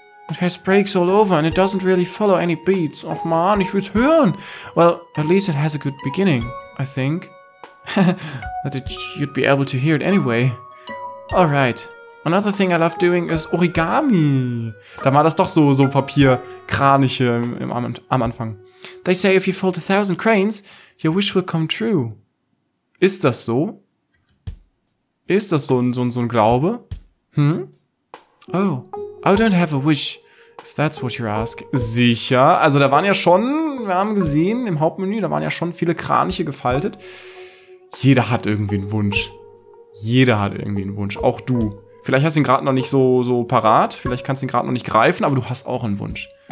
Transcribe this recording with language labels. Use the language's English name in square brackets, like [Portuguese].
[English] It has breaks all over and it doesn't really follow any beats. [German] Och man, ich will's hören. [English] Well, at least it has a good beginning, I think. That you'd be able to hear it anyway. Alright. Another thing I love doing is Origami. [German] Da war das doch so Papierkraniche am Anfang. [English] They say if you fold 1,000 cranes, your wish will come true. [German] Ist das so? Ist das so ein Glaube? [English] Oh, I don't have a wish, if that's what you're asking. [German] Sicher? Also da waren ja schon, wir haben gesehen, im Hauptmenü, da waren ja schon viele Kraniche gefaltet. Jeder hat irgendwie einen Wunsch. Jeder hat irgendwie einen Wunsch, auch du. Vielleicht hast du ihn gerade noch nicht so parat, vielleicht kannst du ihn gerade noch nicht greifen, aber du hast auch einen Wunsch.